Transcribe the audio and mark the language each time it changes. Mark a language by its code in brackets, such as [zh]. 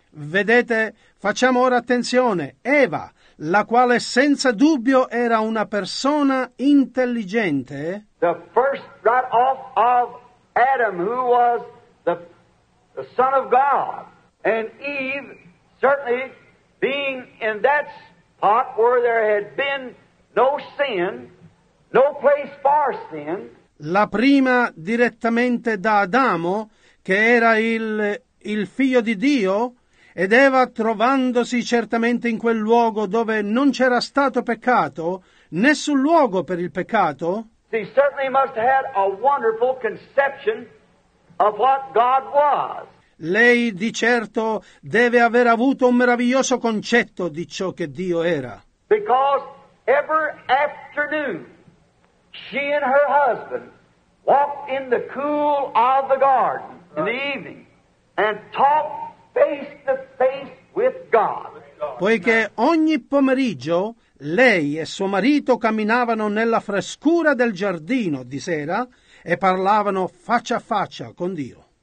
[it] Vedete, facciamo ora attenzione. Eva, la quale senza dubbio era una persona intelligente. [en] The first right off of Adam, who was the son of God, and Eve, certainly being in that spot where there had been no sin, no place for sin. [it] La prima direttamente da Adamo, che era il figlio di Dio, ed Eva trovandosi certamente in quel luogo dove non c'era stato peccato, nessun luogo per il peccato. [en] She certainly must have had a wonderful conception of what God was. [it] Lei di certo deve aver avuto un meraviglioso concetto di ciò che Dio era. [en] Because every afternoon she and her husband walked in the cool of the garden in the evening and talked face to face with God. [it] Poiché ogni pomeriggio lei e suo marito camminavano nella frescura del giardino di sera e parlavano faccia a faccia con Dio.